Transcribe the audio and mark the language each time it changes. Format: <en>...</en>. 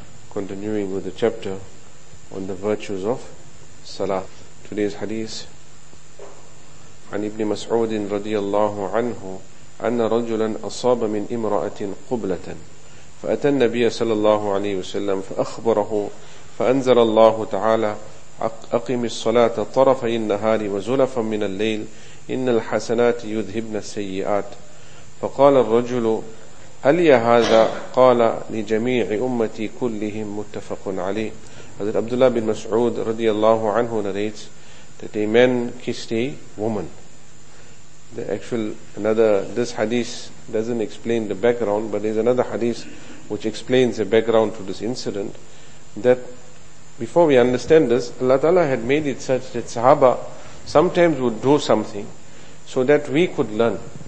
<en>Continuing with the chapter on the virtues of Salat. Today's hadith</en> <ar>عن ابن مسعود رضي الله عنه أن رجلا أصاب من امرأة قبلة فأتى النبي صلى الله عليه وسلم فأخبره فأنزل الله تعالى أقم الصلاة طرفي النهار وزلفا من الليل إن الحسنات يذهبن السيئات فقال الرجل هل يا هذا قال لجميع أمتي كلهم متفق عليه.</ar> <en>حضرت عبداللہ بن مسعود رضی اللہ عنہ narrates that a man kissed a woman. This hadith doesn't explain the background, but there's another hadith which explains the background to this incident. That before we understand this, Allah Ta'ala had made it such that Sahaba sometimes would do something so that we could learn.</en>